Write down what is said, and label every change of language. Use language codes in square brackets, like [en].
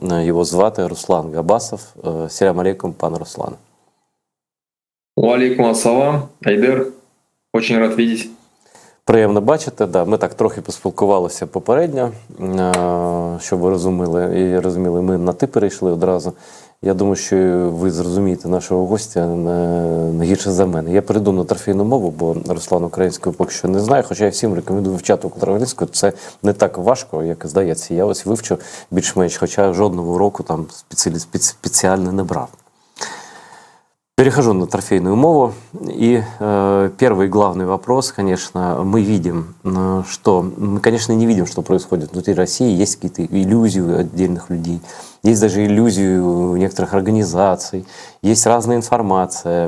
[uk] Його звати Руслан Габасов. Селям алейкум, пане Руслане. [ar] Уалейкум ассалам, Айдер. [ru] Очень рад видеть. [uk] Приємно бачити, да, ми так трохи поспілкувалися попередньо, щоб ви розуміли і розуміли, ми на ти перейшли одразу. Я думаю, що ви зрозумієте нашого гостя не гірше за мене. Я перейду на трофейну мову, бо Руслан українською поки що не знаю, хоча я всім рекомендую вивчати українську. Це не так важко, як здається. Я ось вивчу більш-менш, хоча жодного уроку там спеціально не брав. [ru] Перехожу на трофейную мову. И первый главный вопрос, конечно, мы видим, что мы, конечно, не видим, что происходит внутри России. Есть какие-то иллюзии отдельных людей, есть даже иллюзии некоторых организаций, есть разная информация.